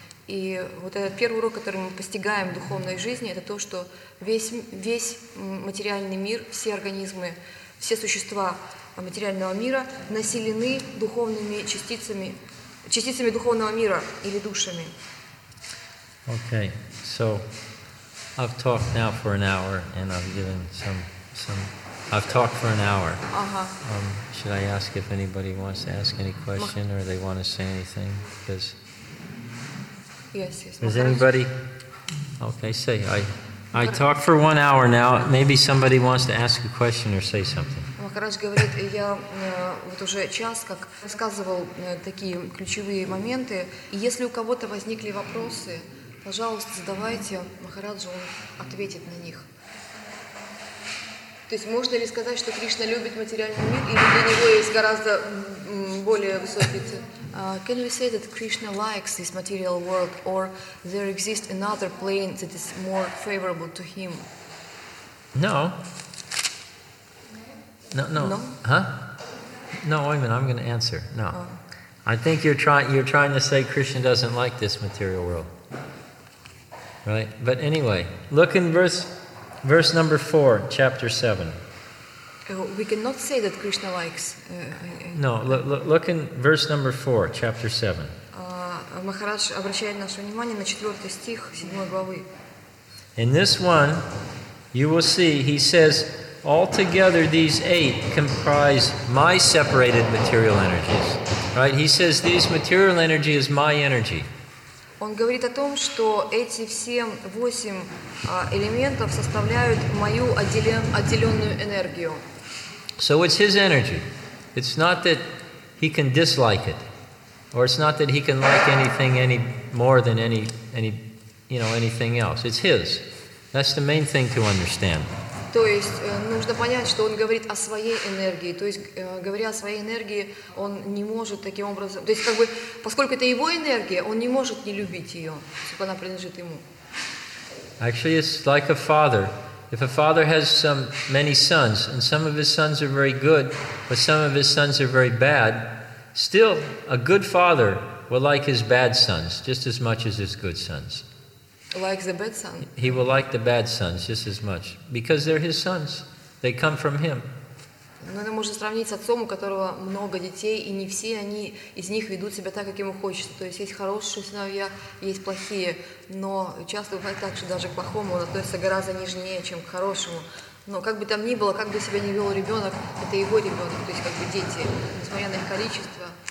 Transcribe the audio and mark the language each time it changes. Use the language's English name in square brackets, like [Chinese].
[Russian] И вот этот первый урок, который мы постигаем в духовной жизни, это то, что весь материальный мир, все организмы, все существа материального мира населены духовными частицами, частицами духовного мира или душами. [English] Okay, so I've talked now for an hour, and I've given some. I've talked for an hour. Uh-huh. Should I ask if anybody wants to ask any question or they want to say anything? Because Yes. Is anybody? Okay, say I talk for 1 hour now. Maybe somebody wants to ask a question or say something. [Russian] Махарадж говорит, я вот уже час как рассказывал такие ключевые моменты. И если у кого-то возникли вопросы, пожалуйста, задавайте. Махараджу он ответит на них. То есть можно ли сказать, что Кришна любит материальный мир, или для него есть гораздо более высокие цели? [English] Can we say that Krishna likes this material world, or there exists another plane that is more favorable to him? No. Wait a minute. I'm going to answer. No. Oh. I think you're trying to say Krishna doesn't like this material world, right? But anyway, look in verse number 4, chapter 7. We cannot say that Krishna likes. Look in verse number 4, chapter 7. [Russian] Махарадж обращает наше внимание на четвертый стих седьмой главы. [English] In this one, you will see, he says, altogether these eight comprise my separated material energies. Right? He says, these material energy is my energy. [Russian] Он говорит о том, что эти все восемь элементов составляют мою отделенную энергию. [English] So it's his energy. It's not that he can dislike it, or it's not that he can like anything any more than anything else. It's his. That's the main thing to understand. [Russian] То есть нужно понять, что он говорит о своей энергии. То есть говоря о своей энергии, он не может таким образом. То есть как бы, поскольку это его энергия, он не может не любить ее, если она принадлежит ему. [English] Actually, it's like a father. If a father has many sons, and some of his sons are very good, but some of his sons are very bad, still a good father will like his bad sons just as much as his good sons. Like the bad son. He will like the bad sons just as much because they're his sons. They come from him. [Russian] Но это можно сравнить с отцом, у которого много детей, и не все они из них ведут себя так, как ему хочется. То есть есть хорошие сыновья, есть плохие. Но часто бывает так, что даже к плохому он относится гораздо нежнее, чем к хорошему. Но как бы там ни было, как бы себя ни вел ребенок, это его ребенок, то есть как бы дети. Несмотря на их количество,